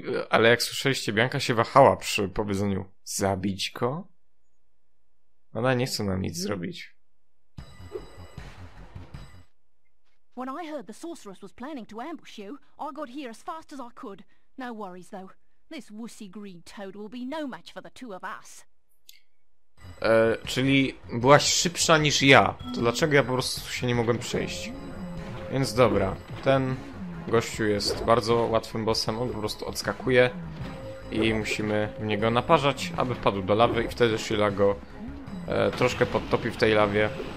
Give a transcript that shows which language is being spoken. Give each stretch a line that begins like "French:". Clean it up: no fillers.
Polish: Ale jak słyszeliście, Bianca się wahała przy powiedzeniu zabić go? Ona nie chce nam nic zrobić.
English: When I heard the sorceress was planning to ambush you, I got here as fast as I could. No worries though. This wussy green toad will be no match for the two of us.
Polish: Czyli byłaś szybsza niż ja. To dlaczego ja po prostu się nie mogłem przejść? Więc dobra, ten gościu jest bardzo łatwym bossem, on po prostu odskakuje i musimy w niego naparzać, aby wpadł do lawy i wtedy Sheila go troszkę podtopi w tej lawie.